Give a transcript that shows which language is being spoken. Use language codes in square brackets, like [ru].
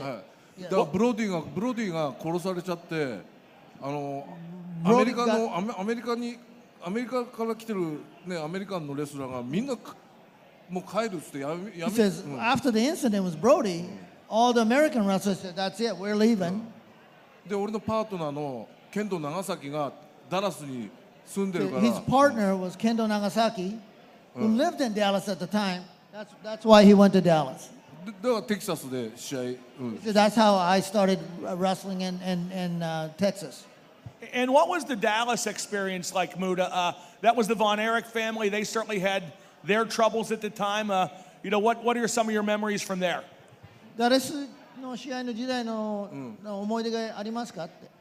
[ja] だからブロディが殺されちゃって、あのアメリカから来てるねアメリカのレスラーがみんなもう帰るってやめ。 [en] He says after the incident with Brody, all the American wrestlers said, "That's it, we're leaving." [ja] で俺のパートナーのケント長崎がダラスに。住んでるから。 [en] His partner was Kendo Nagasaki, who lived in Dallas at the time. That's why he went to Dallas. [ja] だからテキサスで試合。 [en] That's how I started wrestling in Texas. And what was the Dallas experience like, Muta? That was the Von Erich family. They certainly had their troubles at the time. You know, what are some of your memories from there? [ja] ダラスの試合の時代の思い出がありますかって。